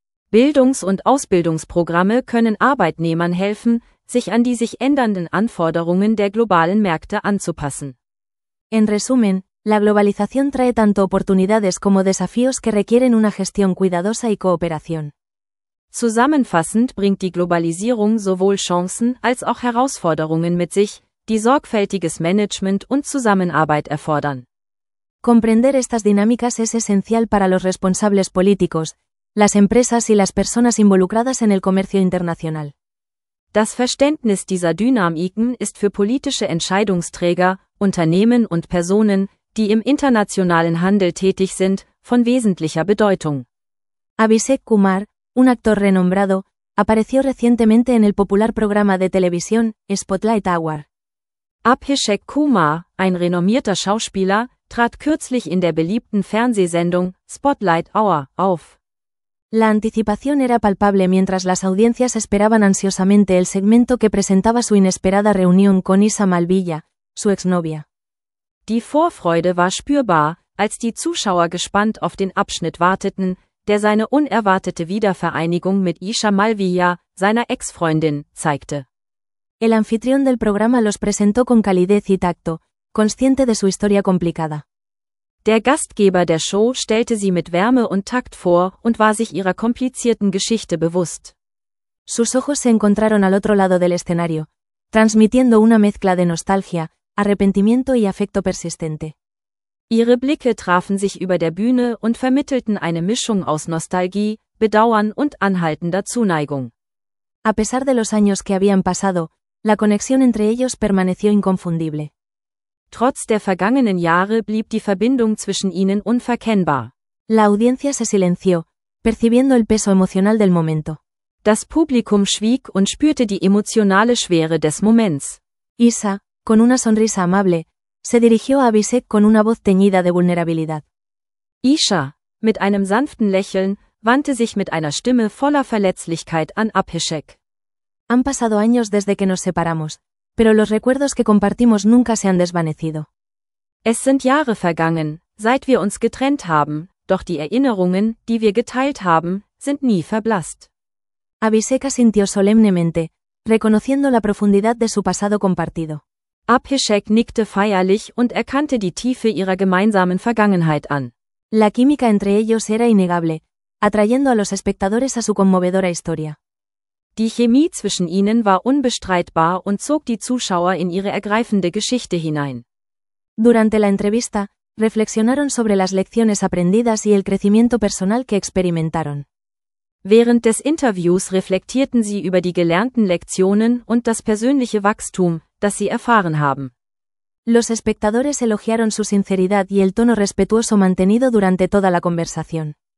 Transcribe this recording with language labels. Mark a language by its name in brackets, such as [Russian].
[German] Bildungs- und Ausbildungsprogramme können Arbeitnehmern helfen, sich an die sich ändernden Anforderungen der globalen Märkte anzupassen. [Spanish] En resumen, La globalización trae tanto oportunidades como desafíos que requieren una gestión cuidadosa y cooperación. [German] Zusammenfassend bringt die Globalisierung sowohl Chancen als auch Herausforderungen mit sich, die sorgfältiges Management und Zusammenarbeit erfordern. [Spanish] Comprender estas dinámicas es esencial para los responsables políticos, las empresas y las personas involucradas en el comercio internacional. [German] Das Verständnis dieser Dynamiken ist für politische Entscheidungsträger, Unternehmen und Personen, die im internationalen Handel tätig sind, von wesentlicher Bedeutung. [Spanish] Abhishek Kumar, un actor renombrado, apareció recientemente en el popular programa de televisión Spotlight Hour. [German] Abhishek Kumar, ein renommierter Schauspieler, trat kürzlich in der beliebten Fernsehsendung Spotlight Hour auf. [Spanish] La anticipación era palpable mientras las audiencias esperaban ansiosamente el segmento que presentaba su inesperada reunión con Isa Malvilla, su exnovia. [German] Die Vorfreude war spürbar, als die Zuschauer gespannt auf den Abschnitt warteten, der seine unerwartete Wiedervereinigung mit Isa Malvilla, seiner Ex-Freundin, zeigte. [Spanish] El anfitrión del programa los presentó con calidez y tacto, consciente de su historia complicada. [German] Der Gastgeber der Show stellte sie mit Wärme und Takt vor und war sich ihrer komplizierten Geschichte bewusst. [Spanish] Sus ojos se encontraron al otro lado del escenario, transmitiendo una mezcla de nostalgia, arrepentimiento y afecto persistente. [German] Ihre Blicke trafen sich über der Bühne und vermittelten eine Mischung aus Nostalgie, Bedauern und anhaltender Zuneigung. [Spanish] A pesar de los años que habían pasado, la conexión entre ellos permaneció inconfundible. [German] Trotz der vergangenen Jahre blieb die Verbindung zwischen ihnen unverkennbar. [Spanish] La audiencia se silenció, percibiendo el peso emocional del momento. [German] Das Publikum schwieg und spürte die emotionale Schwere des Moments. [Spanish] Isa, con una sonrisa amable, se dirigió a Abhishek con una voz teñida de vulnerabilidad. [German] Isa, mit einem sanften Lächeln, wandte sich mit einer Stimme voller Verletzlichkeit an Abhishek. [Spanish] Han pasado años desde que nos separamos. Pero los recuerdos que compartimos nunca se han desvanecido. [German] Es sind Jahre vergangen, seit wir uns getrennt haben, doch die Erinnerungen, die wir geteilt haben, sind nie verblasst. [Spanish] Abhishek asintió solemnemente, reconociendo la profundidad de su pasado compartido. [German] Abhishek nickte feierlich und erkannte die Tiefe ihrer gemeinsamen Vergangenheit an. [Spanish] La química entre ellos era innegable, atrayendo a los espectadores a su conmovedora historia. [German] Die Chemie zwischen ihnen war unbestreitbar und zog die Zuschauer in ihre ergreifende Geschichte hinein. [Spanish] Durante la entrevista, reflexionaron sobre las lecciones aprendidas y el crecimiento personal que experimentaron. [German] Während des Interviews reflektierten sie über die gelernten Lektionen und das persönliche Wachstum, das sie erfahren haben. [Spanish] Los espectadores elogiaron su sinceridad y el tono respetuoso mantenido durante toda la conversación.